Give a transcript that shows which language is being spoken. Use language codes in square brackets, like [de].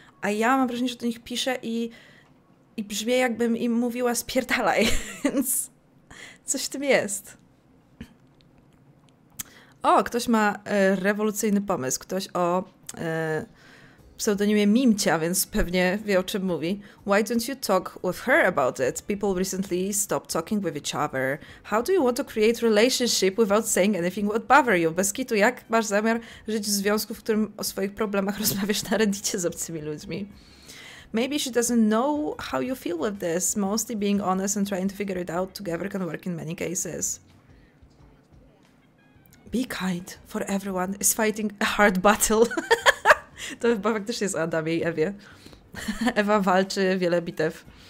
[pl] A ja mam wrażenie, że do nich piszę i brzmię, jakbym im mówiła spierdalaj, więc coś w tym jest. O, ktoś ma rewolucyjny pomysł. Ktoś o pseudonimie Mimcia, więc pewnie wie, o czym mówi. [en] Why don't you talk with her about it? People recently stop talking with each other. How do you want to create relationship without saying anything would bother you? [pl] Bez kitu, jak masz zamiar żyć w związku, w którym o swoich problemach rozmawiasz na Reddicie z obcymi ludźmi? [en] Maybe she doesn't know how you feel with this. Mostly being honest and trying to figure it out together can work in many cases. Be kind for everyone is fighting a hard battle. [pl] To chyba faktycznie jest o Adamie i Ewie. Ewa walczy wiele bitew.